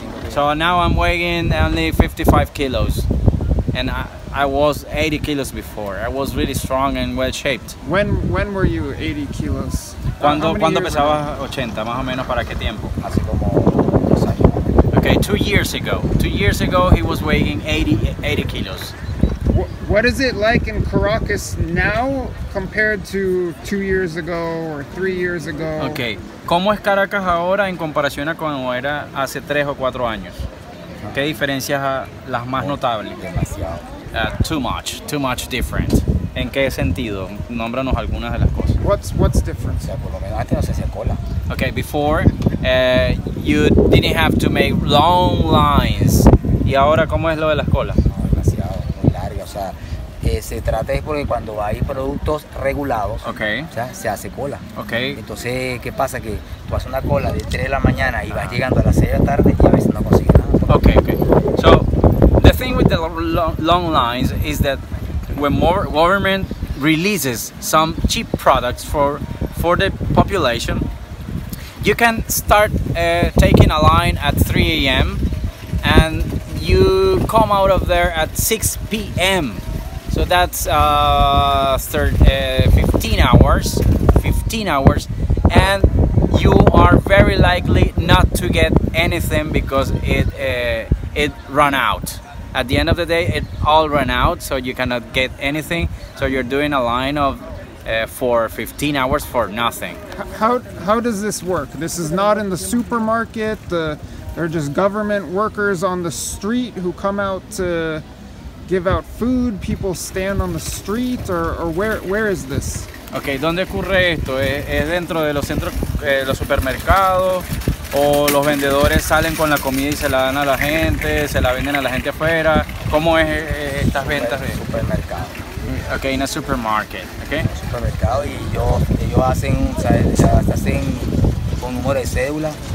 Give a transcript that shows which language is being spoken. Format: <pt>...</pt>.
<en>So now I'm weighing only 55 kilos, and I was 80 kilos before. I was really strong and well shaped. When were you 80 kilos?</en> <es>Cuando pesaba 80, más o menos, para qué tiempo? Hace como 2 años.</es> <en>Okay, 2 years ago. 2 years ago, he was weighing 80 kilos. What is it like in Caracas now compared to 2 years ago or 3 years ago? Okay.</en> <es>¿Cómo es Caracas ahora en comparación a cómo era hace 3 o 4 años? ¿Qué diferencias las más notables? Demasiado.</es> <en>Too much different.</en> <es>¿En qué sentido? Nómbranos algunas de las cosas.</es> <en>What's different?</en> <es>Por lo menos antes no se hacía cola.</es> <en>Okay, before you didn't have to make long lines.</en> <es>¿Y ahora cómo es lo de las colas? No, demasiado, muy larga. O sea, se trata es porque cuando hay productos regulados,</es> <en>okay,</en> <es>o sea, se hace cola.</es> <en>Okay.</en> <es>Entonces, ¿qué pasa? Que tú haces una cola de 3 de la mañana y vas llegando a las 6 de la tarde y a veces no consigues nada.</es> <en>Okay. So, the thing with the long lines is that when more government releases some cheap products for the population, you can start taking a line at 3 a.m. and you come out of there at 6 p.m. So that's 15 hours, and you are very likely not to get anything because it run out. At the end of the day, it all run out, so you cannot get anything. So you're doing a line of for 15 hours for nothing. How does this work? This is not in the supermarket. They're just government workers on the street who come out to give out food, people stand on the street, or where is this?</en> <es>Okay, ¿dónde ocurre esto? ¿Es dentro de los centros, los supermercados, o los vendedores salen con la comida y se la dan a la gente, se la venden a la gente afuera? ¿Cómo es estas ventas? En supermercado.</es> <en>Okay, in a supermarket, okay?</en> <es>En supermercado, y ellos hacen, o sea, hacen con número de cédula.</es>